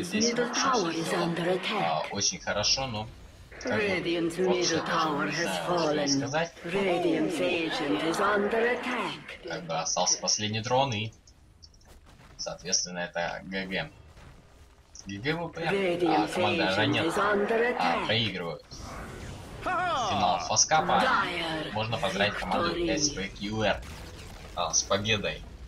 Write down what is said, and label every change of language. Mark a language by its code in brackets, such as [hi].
[ru] здесь вообще сидела очень хорошо, но... [en] Radiant's middle tower has fallen. Radiant's agent is under attack. [ru] Как бы остался последний дрон и, соответственно, это ГГ. ГГВП, а команда Ранетти проигрывают. Финал фаскапа. Можно поздравить команду SBQR с победой.